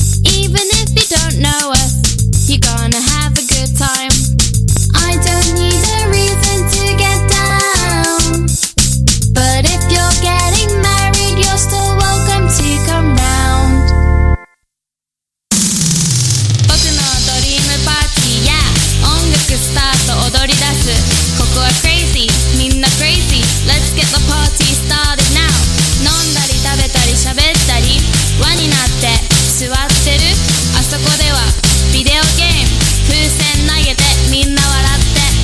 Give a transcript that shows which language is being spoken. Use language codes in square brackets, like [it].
[en] Even if you don't know us, you're gonna have a good time. I don't need a reason to get down. But if you're getting married, you're still welcome to come round. [ja] Boku no [en] dream party, yeah. [ja] 音楽スタート踊り出す。ここは crazy, みんな crazy. [en] Let's get the party started now. 飲んだり食べたり喋ったり輪になって座ってる。あそこではビデオゲーム風船投げてみんな笑って。